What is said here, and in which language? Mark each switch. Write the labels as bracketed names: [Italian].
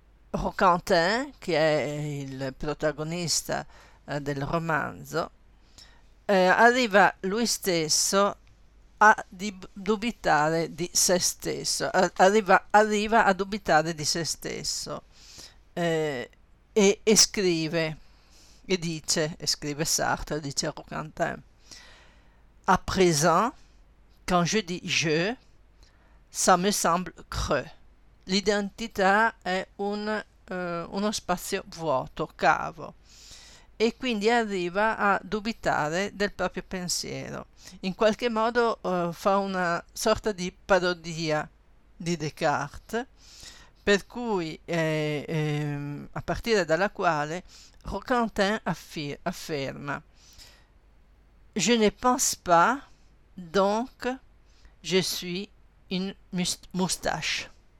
[Italian] Roquentin, che è il protagonista del romanzo, arriva lui stesso a dubitare di se stesso, arriva a dubitare di se stesso, e scrive. E dice, e scrive Sartre, dice Roquentin: [French] À présent, quand je dis je, ça me semble creux. [Italian] L'identità è uno spazio vuoto, cavo, e quindi arriva a dubitare del proprio pensiero. In qualche modo, fa una sorta di parodia di Descartes, per cui, a partire dalla quale Roquentin afferma: [French] Je ne pense pas, donc je suis une moustache.